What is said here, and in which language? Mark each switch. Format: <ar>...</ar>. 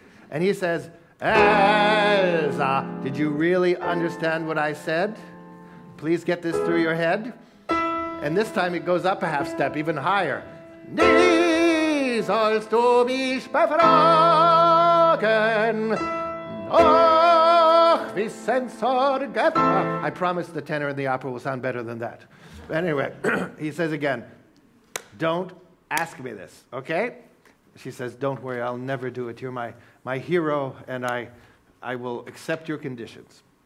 <en>And he says, Elsa, did you really understand what I said? Please get this through your head. And this time it goes up a half step, even higher.</en> <de>Nie sollst du mich befragen, noch wissen Sorge.</de> <en>I promise the tenor in the opera will sound better than that. But anyway, he says again, don't ask me this, okay? She says, don't worry, I'll never do it. You're my hero, and I will accept your conditions.</en>